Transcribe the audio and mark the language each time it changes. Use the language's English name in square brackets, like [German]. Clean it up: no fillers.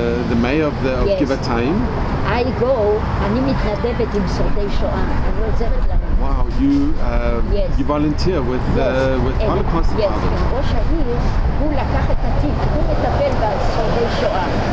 [English] The mayor of the of Givatayim. I go, [Hebrew] אני מתנדבת עם שורדי שואה. אני עוזרת להם. [English] Wow, you volunteer with Holocaust Survivors. Yes, and Rosh Hayir, [Hebrew] הוא לקח את התיק, הוא מטפל בשורדי שואה.